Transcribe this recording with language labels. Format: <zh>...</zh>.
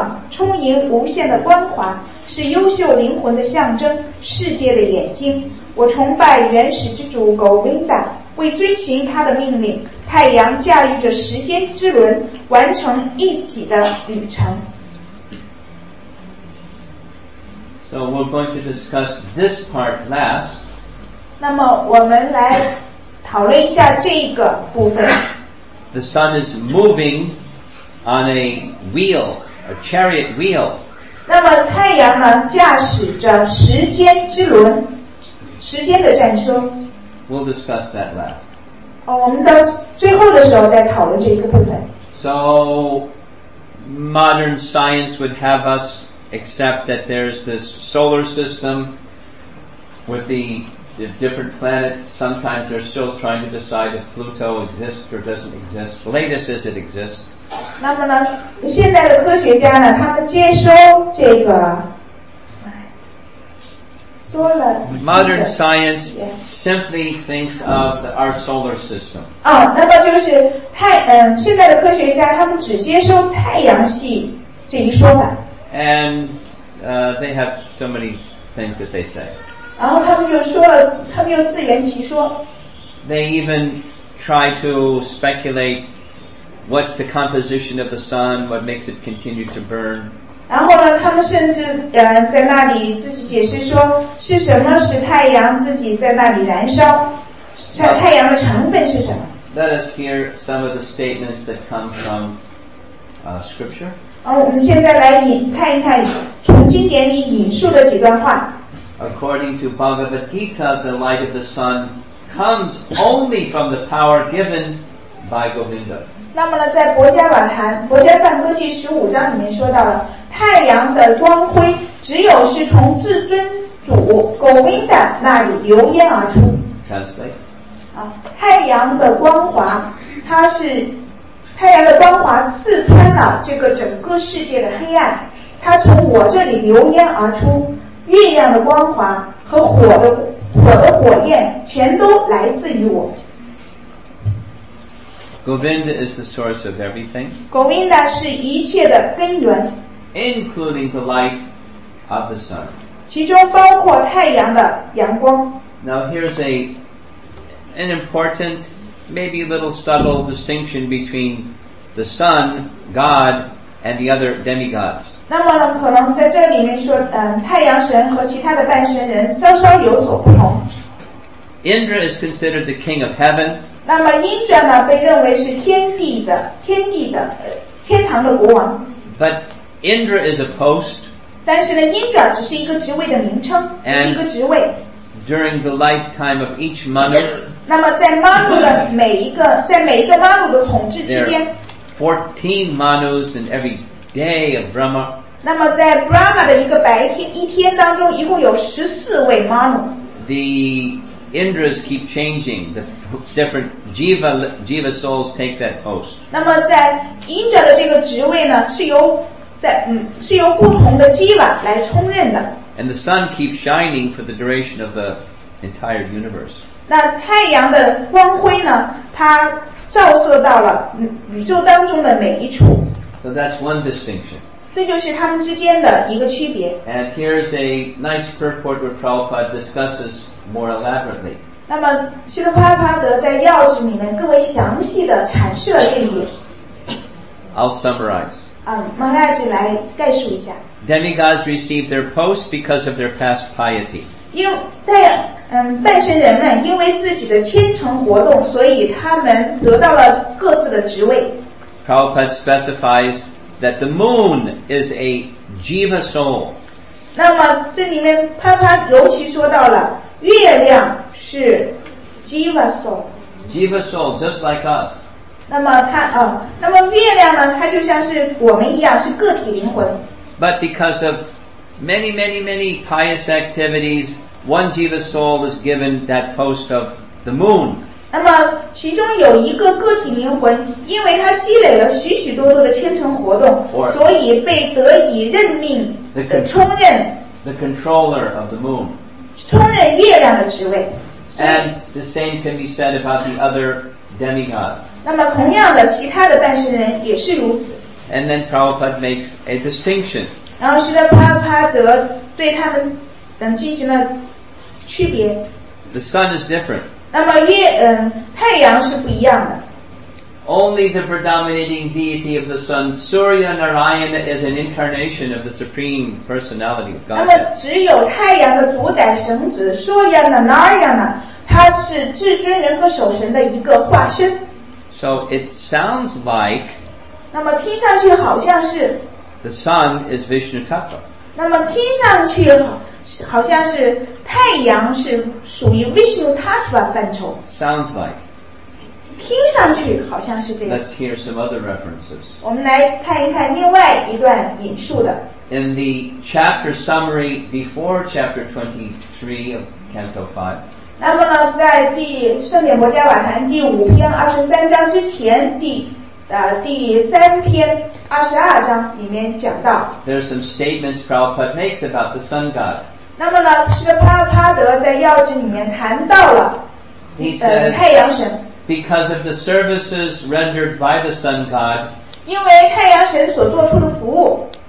<zh>充盈无限的光华，是优秀灵魂的象征，世界的眼睛。我崇拜原始之主 Govinda， 为遵循他的命令，太阳驾驭着时间之轮，完成一己的旅程。</zh> <en>So we're going to discuss this part last.</en> <zh>那么我们来讨论一下这个部分。</zh> <en>The sun is moving on a wheel. A chariot wheel.</en> <zh>那么太阳呢驾驶着时间之轮，时间的战车。</zh> <en>We'll discuss that last.</en> <zh>哦，我们到最后的时候再讨论这个部分。</zh> <en>So modern science would have us accept that there's this solar system with the different planets. Sometimes they're still trying to decide if Pluto exists or doesn't exist. Latest is it exists.</en> <zh>那么呢，现在的科学家呢，他们接收这个，说了。</zh> <en>Modern science simply thinks of our solar system.</en> <zh>哦，那么就是太嗯，现在的科学家他们只接收太阳系这一说法。</zh> <en>And they have so many things that they say.</en> <zh>然后他们又说了，他们又自圆其说。</zh> <en>They even try to speculate. What's the composition of the sun? What makes it continue to burn?</en> <zh>然后呢，他们甚至在那里自己解释说，是什么使太阳自己在那里燃烧？太阳的成分是什么？</zh> <en>Let us hear some of the statements that come from scripture.</en> <zh>哦，我们现在来看一看从经典里引述的几段话。</zh> <en>According to Bhagavad Gita, the light of the sun comes only from the power given by Govinda.</en> <zh>那么呢，在佛家瓦坛佛家梵歌第十五章里面说到了，太阳的光辉只有是从至尊主Govinda那里流烟而出。</zh> <en>Translate.</en> <zh>太阳的光华，它是太阳的光华刺穿了这个整个世界的黑暗，它从我这里流烟而出，月亮的光华和火的火焰全都来自于我。</zh> <en>Govinda is the source of everything.</en> <zh>Govinda 是一切的根源，</zh> <en>including the light of the sun.</en> <zh>其中包括太阳的阳光。</zh> <en>Now here's an important, maybe a little subtle distinction between the sun, God, and the other demigods.</en> <zh>那么可能在这里面说，太阳神和其他的半神人稍稍有所不同。</zh> <en>Indra is considered the king of heaven.</en> <zh>那么 Indra 呢，被认为是天地的天堂的国王。</zh> <en>But Indra is a post.</en> <zh>但是呢 ，Indra 只是一个职位的名称，是一个职位。</zh> <en>During the lifetime of each Manu.</en> <zh>那么在 Manu 的每一个 Manu 的统治期间</zh> <en>，14 Manus in every day of Brahma.</en> <zh>那么在 Brahma 的一个白天一天当中，一共有14位 Manu.</zh> <en>The Indras keep changing. The different jiva souls take that post.</en> <zh>那么在 Indra 的这个职位呢，是由不同的 jiva 来充任的。</zh> <en>And the sun keeps shining for the duration of the entire universe.</en> <zh>那太阳的光辉呢，它照射到了宇宙当中的每一处。</zh> <en>So that's one distinction.</en> <zh>这就是他们之间的一个区别。</zh> <en>And here's a nice purport where Prabhupada discusses. More elaborately.</en> <zh>那么，希特帕帕德在要旨里面更为详细的阐释了这一点。</zh> <en>I'll summarize.</en> <zh>马哈拉吉来概述一下。</zh> <en>Demigods receive their posts because of their past piety.</en> <zh>因为半神人们因为自己的虔诚活动，所以他们得到了各自的职位。</zh> <en>Prabhupada specifies that the moon is a jiva soul.</en> <zh>那么这里面帕帕尤其说到了。月亮是 Jiva soul.</zh> <en>Jiva soul, just like us.</en> <zh>那么它啊、哦，那么月亮呢？它就像是我们一样，是个体灵魂。</zh> <en>But because of many, many, many pious activities, one Jiva soul is given that post of the moon.</en> <zh>那么其中有一个个体灵魂，因为它积累了许许多多的虔诚活动，</zh> <en>Or、</en> <zh>所以被得以任命的充任</zh> <en>the controller of the moon.</en> <zh>充任月亮的职位。</zh> <en>And the same can be said about the other demigods.</en> <zh>那么同样的，其他的半神人也是如此。</zh> <en>And then Prabhupada makes a distinction.</en> <zh>然后释迦帕帕德对他们等进行了区别。</zh> <en>The sun is different.</en> <zh>那么月太阳是不一样的。</zh> <en>Only the predominating deity of the sun, Surya Narayana, is an incarnation of the supreme personality of God.</en> <zh>那么只有太阳的主宰神子 Surya Narayana, 他是至尊人和守神的一个化身。</zh> <en>So it sounds like.</en> <zh>那么听上去好像是。</zh> <en>The sun is Vishnu Tattva.</en> <zh>那么听上去好像是太阳是属于 Vishnu Tattva 范畴。</zh> <en>Sounds like.</en> <zh>听上去好像是这样。</zh> <en>Let's hear some other references.</en> <zh>我们来看一看另外一段引述的。</zh> <en>In the chapter summary before chapter 23 of Canto 5.</en> <zh>那么呢，在第圣典摩迦瓦坛第五篇二十三章之前，第三篇二十二章里面讲到。</zh> <en>There are some statements Prabhupada makes about the sun god.</en> <zh>那么呢，是帕帕德在要旨里面谈到了，</zh> <en>He said,</en> <zh>太阳神。</zh> <en>Because of the services rendered by the sun god.</en> <zh>因为太阳神所做出的服务。</zh>